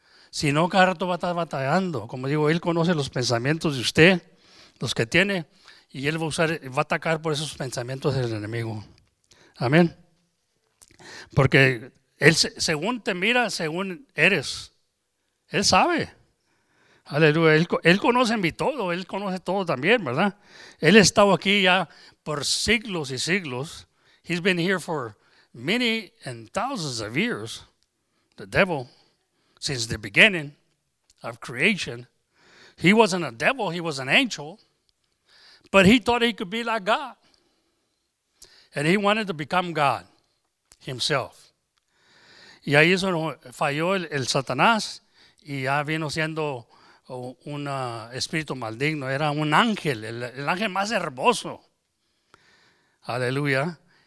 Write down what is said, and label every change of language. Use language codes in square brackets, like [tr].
[es] Si no, cada rato va a estar batallando. Como digo, él conoce los pensamientos de usted, los que tiene, y él va a atacar por esos pensamientos del enemigo. Amén. Porque él, según te mira, según eres, él sabe. Aleluya. Él conoce en mí todo, él conoce todo también, ¿verdad? Él ha estado aquí ya por siglos y siglos. [en] He's been here for many and thousands of years. The devil. Since the beginning of creation, he wasn't a devil, he was an angel, but he thought he could be like God. And he wanted to become God himself. [es] Y ahí eso falló el Satanás, y ya vino siendo un espíritu maligno, era un ángel, el ángel más hermoso. Aleluya.